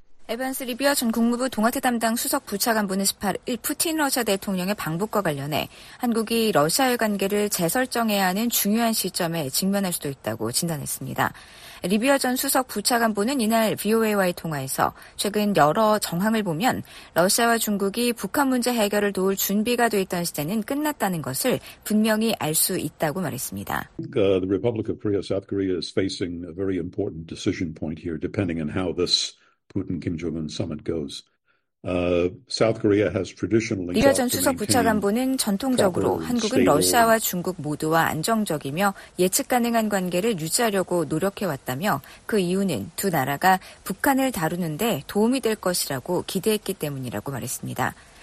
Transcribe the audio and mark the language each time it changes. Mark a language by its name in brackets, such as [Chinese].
[Korean] 에반스 리비아 전 국무부 동아태 담당 수석 부차관부는 18일 푸틴 러시아 대통령의 방북과 관련해 한국이 러시아의 관계를 재설정해야 하는 중요한 시점에 직면할 수도 있다고 진단했습니다. 리비아 전 수석 부차관부는 이날 VOA와의 통화에서 최근 여러 정황을 보면 러시아와 중국이 북한 문제 해결을 도울 준비가 돼 있던 시대는 끝났다는 것을 분명히 알 수 있다고 말했습니다. [English] The Republic of Korea, South Korea is facing a very important decision point here depending on how this Putin Kim Jong Un summit goes. South Korea has traditionally [Korean] 리아 전 수석 부차관부는 전통적으로 한국은 러시아와 중국 모두와 안정적이며 예측 가능한 관계를 유지하려고 노력해 왔다며 그 이유는 두 나라가 북한을 다루는데 도움이 될 것이라고 기대했기 때문이라고 말했습니다.